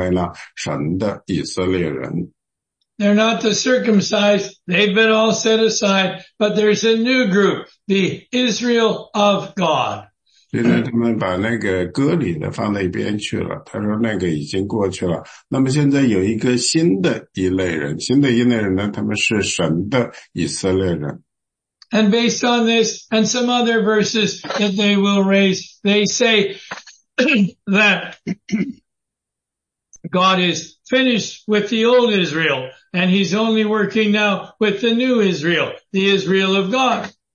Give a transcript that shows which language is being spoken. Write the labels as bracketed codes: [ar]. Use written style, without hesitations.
[zh] 所以呢,他们基本上说呢,基督徒呢,现在呢,成为了以色列人,实际上呢,他们成为了神的以色列人。 [en] They're not the circumcised, they've been all set aside, but there's a new group, the Israel of God. [zh] 所以呢,他们把那个割礼的放在一边去了,他说那个已经过去了,那么现在有一个新的一类人,新的一类人呢,他们是神的以色列人。 [en] And based on this and some other verses that they will raise, they say that God is finished with the old Israel and he's only working now with the new Israel, the Israel of God.